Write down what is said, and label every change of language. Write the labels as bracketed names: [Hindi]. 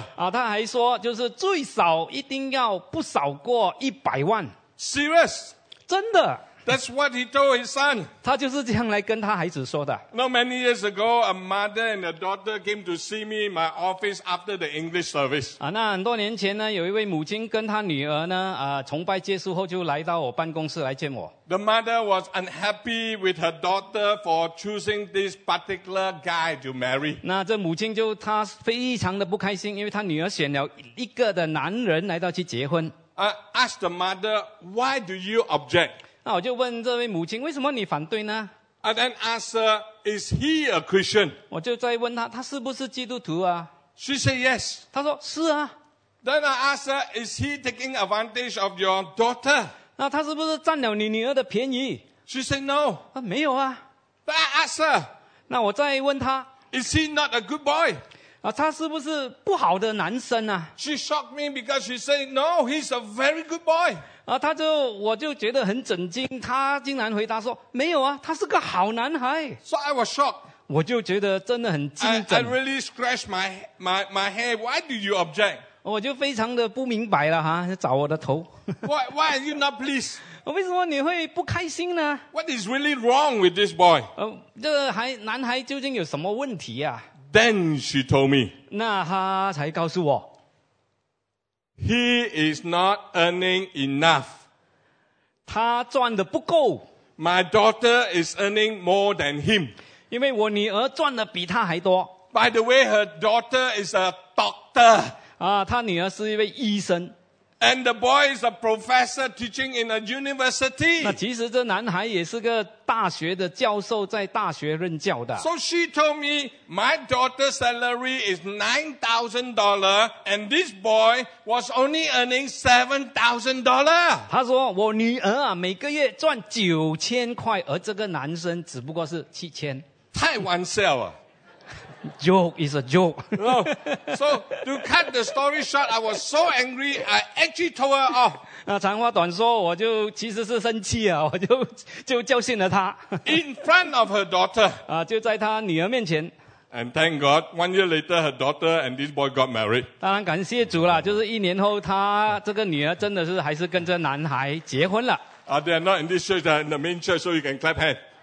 [Chinese] 他还说就是最少一定要不少过100万。 [English] Serious? [Chinese] 真的。 [English] That's what he told his son. [Chinese] 他就是这样来跟他孩子说的。 [English] Not many years ago, a mother and a daughter came to see me in my office after the English service. [Chinese] 那很多年前呢，有一位母亲跟她女儿呢，崇拜结束后就来到我办公室来见我。 [English] The mother was unhappy with her daughter for choosing this particular guy to marry. [Chinese] 那这母亲就她非常的不开心，因为她女儿选了一个的男人来到去结婚。 [English] I asked the mother, why do you object? [Chinese] 那我就问这位母亲，为什么你反对呢 [English] ？I then asked her, "Is he a Christian?" [Chinese] 我就再问她，她是不是基督徒啊 [English] ？She said yes. [Chinese] 她说是啊。 [English] Then I asked her, "Is he taking advantage of your daughter?" [Chinese] 那她是不是占了你女儿的便宜 [English] ？She said no. [Chinese] 她没有啊。 [English] But I asked her. [Chinese] 那我再问她 [English] ，Is he not a good boy? [Chinese] 他是不是不好的男生啊 [English] ？She shocked me because she said, "No, he's a very good boy." [Chinese] 我就觉得很震惊。他竟然回答说，没有啊，他是个好男孩。 [English] So I was shocked. [Chinese] 我就觉得真的很惊震。 [English] I really scratched my hair. Why do you object? [Chinese] 我就非常的不明白了哈，找我的头。 [English] why are you not pleased? [Chinese] 为什么你会不开心呢 [English] ？What is really wrong with this boy? [Chinese] 这男孩究竟有什么问题啊？ [English] Then she told me. [Chinese] 那他才告诉我 [English] He is not earning enough. [Chinese] 他赚的不够 [English] My daughter is earning more than him. [Chinese] 因为我女儿赚的比他还多 [English] By the way, her daughter is a doctor. [Chinese] 他女儿是一位医生 [English] And the boy is a professor teaching in a university. [Chinese] 那其实这男孩也是个大学的教授在大学任教的。 [English] So she told me, my daughter's salary is $9,000 and this boy was only earning $7,000. [Chinese] 她说我女儿啊每个月赚9000块而这个男生只不过是7000。太玩笑了。 [English] Joke is a joke. No. So, to cut the story short, I was so angry, I actually told her off. [Chinese] 长话短说，我就其实是生气啊，我就教训了她。 [English] In front of her daughter. [Chinese] 就在她女儿面前。 [English] And thank God, 1 year later, her daughter and this boy got married. [Chinese] 当然感谢主啦，就是一年后，她这个女儿真的是还是跟这男孩结婚了。 [English] They are not in this church, they are in the main church, so you can clap hands.